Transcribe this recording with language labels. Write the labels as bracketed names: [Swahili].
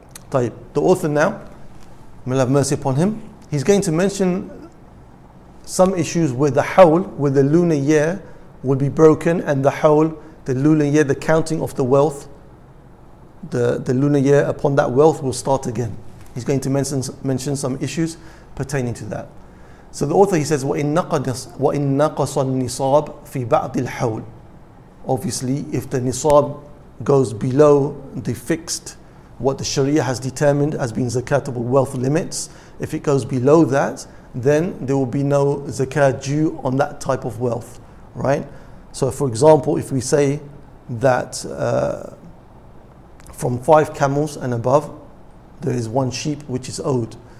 [English] Taib, the author now, may Allah have mercy upon him, he's going to mention some issues where the hawl, where the lunar year will be broken, and the hawl, the lunar year, the counting of the wealth, the lunar year upon that wealth will start again. He's going to mention some issues pertaining to that. So the author, he says, [Arabic] وَإِن نَقَصَ النِّصَابْ فِي بَعْدِ الْحَوْلِ. [English] Obviously, if the nisab goes below the fixed, what the Sharia has determined as being zakatable wealth limits, if it goes below that, then there will be no zakat due on that type of wealth, right? So for example, if we say that from 5 camels and above, there is 1 sheep which is owed.